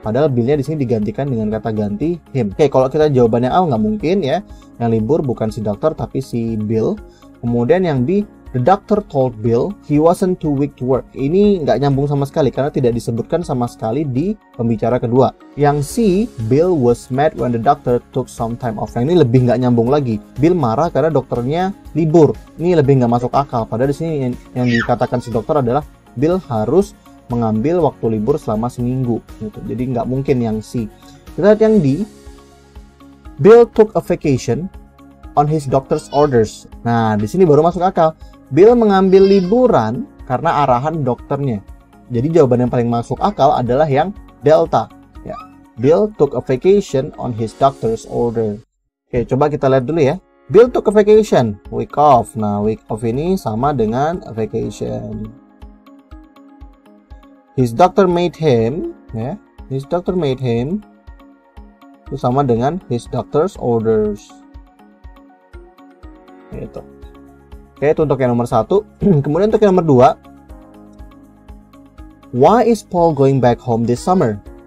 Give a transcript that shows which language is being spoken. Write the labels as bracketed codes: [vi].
[id] Padahal Bill-nya di sini digantikan dengan kata ganti him. Oke, kalau kita jawabannya A, nggak mungkin ya, yang libur bukan si dokter tapi si Bill. Kemudian yang B, [en] the doctor told Bill he wasn't too weak to work. [id] Ini nggak nyambung sama sekali karena tidak disebutkan sama sekali di pembicara kedua. Yang C, [en] Bill was mad when the doctor took some time off. [id] Yang ini lebih nggak nyambung lagi. Bill marah karena dokternya libur. Ini lebih nggak masuk akal. Padahal di sini yang dikatakan si dokter adalah Bill harus mengambil waktu libur selama seminggu. Jadi nggak mungkin yang C. Kita lihat yang D. [en] Bill took a vacation on his doctor's orders. [id] Nah, di sini baru masuk akal. Bill mengambil liburan karena arahan dokternya. Jadi jawaban yang paling masuk akal adalah yang delta. [en] Ya. Bill took a vacation on his doctor's order. [id] Oke, coba kita lihat dulu ya. [en] Bill took a vacation, week off. [id] Nah, week off ini sama dengan vacation. [en] His doctor made him, ya. His doctor made him [id] itu sama dengan [en] his doctor's orders. [id] Gitu. Oke, itu untuk yang nomor 1. Kemudian untuk yang nomor 2. [en] Why is Paul going back home this summer?